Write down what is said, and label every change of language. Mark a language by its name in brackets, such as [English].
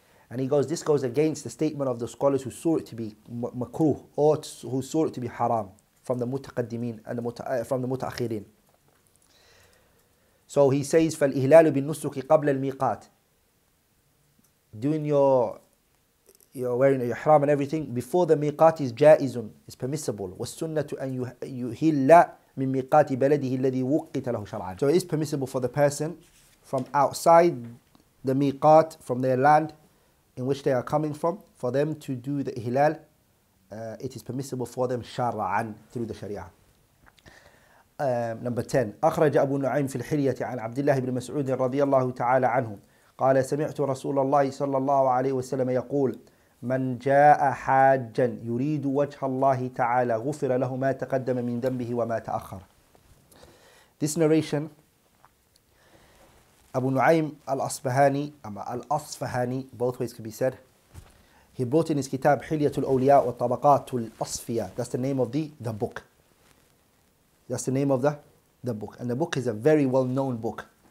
[English] And he goes, this goes against the statement of the scholars who saw it to be makruh, or who saw it to be haram from the mutaqaddimin and from the mutaakhirin. So he says, [Arabic] فالإهلال بالنسك قبل الميقات, [English] doing your wearing your ihram and everything before the miqat is jaizun, is permissible. [Arabic] والسنة أن يهل من ميقات بلده الذي وقت له شرعا. [English] So it is permissible for the person from outside the miqat, from their land in which they are coming from, for them to do the ihlal, it is permissible for them shara'an, through the sharia. Number 10. [Arabic] أخرج أبو نعيم في الحلية عن عبد الله بن مسعود رضي الله تعالى عنه قال سمعت رسول الله صلى الله عليه وسلم يقول من جاء حاجا يريد وجه الله تعالى غفر له ما تقدم من ذنبه وما تأخر. [English] This narration, Abu Nu'aym al-Asfahani, both ways could be said, he brought in his kitab Hilyatul Awliya wa Tabaqatul Asfiya. That's the name of the book. That's the name of the book. And the book is a very well-known book.